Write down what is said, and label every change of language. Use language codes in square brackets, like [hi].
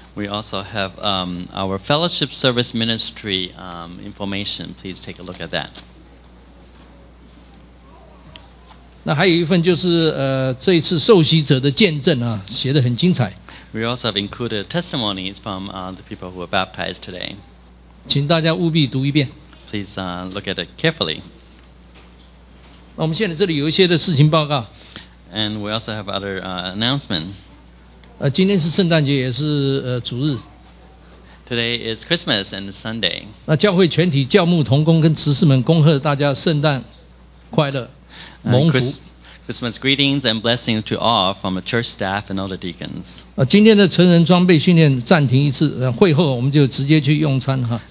[en] We also have our fellowship service ministry information. Please take a look at that. [zh] 那还有一份就是这一次受洗者的见证啊，写得很精彩。 [en] We also have included testimonies from the people who were baptized today. [zh] 请大家务必读一遍。 [en] Please look at it carefully. [zh] 那我们现在这里有一些的事情报告。 [en] And we also have other announcement. [zh] 今天是圣诞节，也是主日。 [en] Today is Christmas and Sunday. [zh] 那教会全体教牧同工跟执事们恭贺大家圣诞快乐，蒙福。 [en] Christmas greetings and blessings to all from the church staff and all the deacons. [zh] 今天的成人装备训练暂停一次，会后我们就直接去用餐哈。